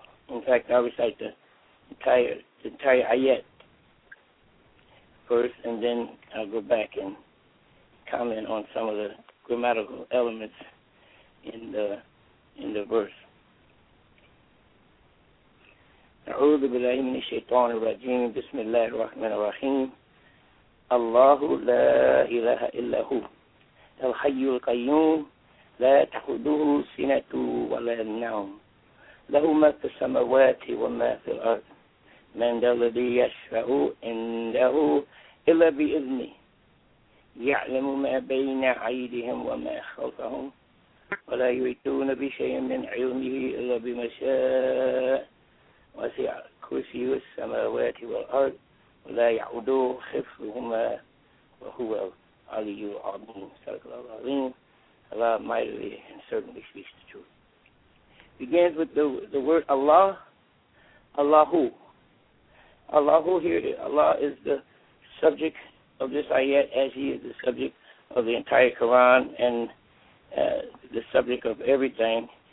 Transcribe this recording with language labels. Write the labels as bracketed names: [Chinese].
[English] In fact, I recite the entire ayat first, and then I'll go back and comment on some of the grammatical elements in the verse. [Arabic] أعوذ بالله من الشيطان الرجيم بسم الله الرحمن الرحيم الله لا إله إلا هو الحي القيوم لا تأخذه سنة ولا نوم له ما في السماوات وما في الأرض من ذا الذي يشفع عنده إلا بإذنه يعلم ما بين أيديهم وما خلفهم ولا يحيطون بشيء من علمه إلا بما شاء وسع كرسيه السماوات والأرض ولا يعوده حفظهما وهو العلي العظيم. صدق الله العظيم. [English] Allah mightily and certainly speaks the truth. Begins with the word Allah, Allahu. Allahu, here Allah is the subject of this ayat, as he is the subject of the entire Quran and the subject of everything.